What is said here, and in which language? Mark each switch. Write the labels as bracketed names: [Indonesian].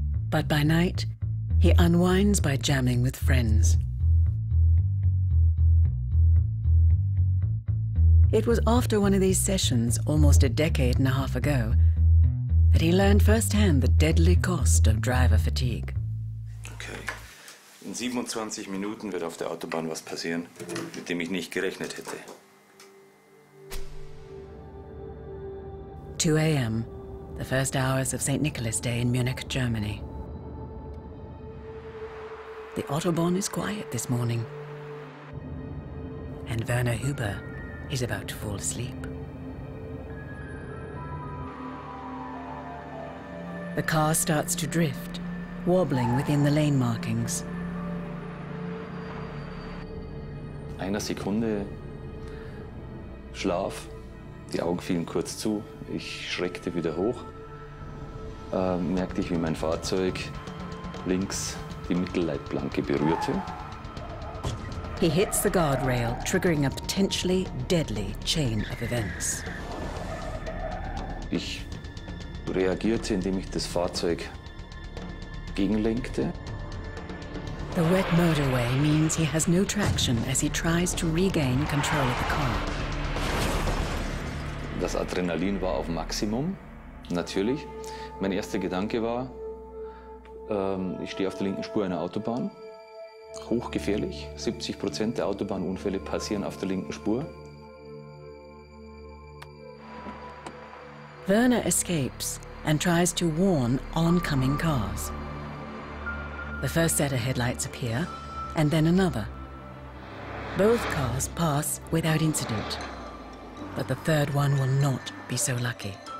[English] But by night, he unwinds by jamming with friends. It was after one of these sessions, almost a decade and a half ago, that he learned firsthand the deadly cost of driver fatigue. Okay. [German] In 27 Minuten wird auf der Autobahn was passieren, mit dem ich nicht gerechnet hätte. [English] 2 a.m., the first hours of St. Nicholas Day in Munich, Germany. The Autobahn is quiet this morning. And Werner Huber is about to fall asleep. The car starts to drift, wobbling within the lane markings. [German] Einer Sekunde Schlaf, die Augen fielen kurz zu. Ich schreckte wieder hoch, merkte ich, wie mein Fahrzeug links die Mittelleitplanke berührte. [English] He hits the guardrail, triggering a potentially deadly chain of events. [German] Ich reagierte, indem ich das Fahrzeug gegenlenkte. [English] The wet motorway means he has no traction as he tries to regain control of the car. [German] Das Adrenalin war auf Maximum, natürlich. Mein erster Gedanke war, ich stehe auf der linken Spur einer Autobahn. Hochgefährlich, 70% der Autobahnunfälle passieren auf der linken Spur. [English] Werner escapes and tries to warn oncoming cars. The first set of headlights appear and then another. Both cars pass without incident. But the third one will not be so lucky.